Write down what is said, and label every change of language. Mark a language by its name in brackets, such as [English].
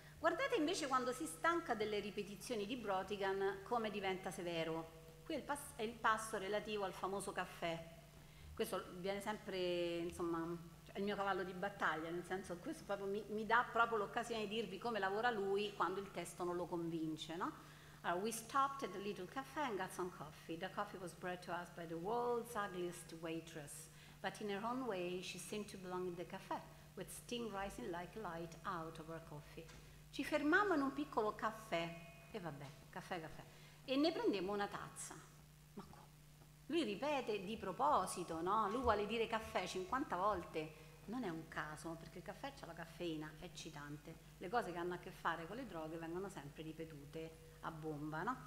[Italian] Guardate invece quando si stanca delle ripetizioni di Brotigan come diventa severo. Qui è il passo relativo al famoso caffè. Questo viene sempre, insomma, il mio cavallo di battaglia, nel senso che questo proprio mi dà proprio l'occasione di dirvi come lavora lui quando il testo non lo convince, no? [English] Allora, we stopped at the little cafe and got some coffee. The coffee was brought to us by the world's ugliest waitress, but in her own way she seemed to belong in the cafe, with steam rising like light out of her coffee. [Italian] Ci fermammo in un piccolo caffè, e vabbè, caffè, e ne prendemmo una tazza. Ma lui ripete di proposito, no? Lui vuole dire caffè 50 volte. Non è un caso, perché il caffè c'ha la caffeina, è eccitante. Le cose che hanno a che fare con le droghe vengono sempre ripetute a bomba, no?